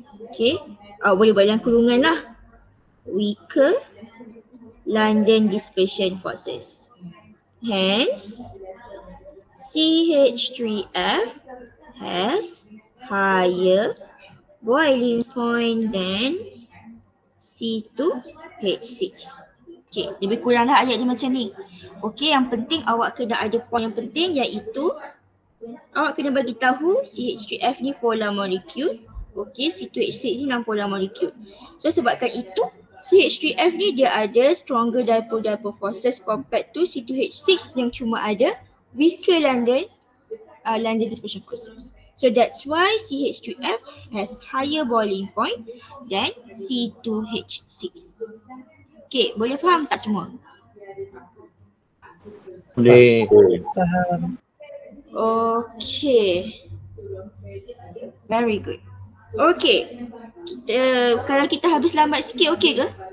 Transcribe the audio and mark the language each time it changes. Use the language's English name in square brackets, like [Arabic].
[Malay] Okay, boleh buat dalam kurungan lah. [English] Weaker London dispersion forces. Hence, CH3F has higher boiling point than C2H6. [Malay] Okay, lebih kuranglah ayat dia macam ni. Okay, yang penting awak kena ada point yang penting, iaitu awak kena bagi tahu CH3F ni polar molecule. Okay, C2H6 ni non-polar molecule. So sebabkan itu, CH3F ni dia ada [English] stronger dipole-dipole forces compared to C2H6 [Malay] yang cuma ada [English] weaker London London dispersion forces. So that's why CH3F has higher boiling point than C2H6. [Malay] Okay, boleh faham tak semua? Boleh. [English] Okay. Very good. Okay. [Malay] Kita, kalau kita habis lambat sikit, okay ke?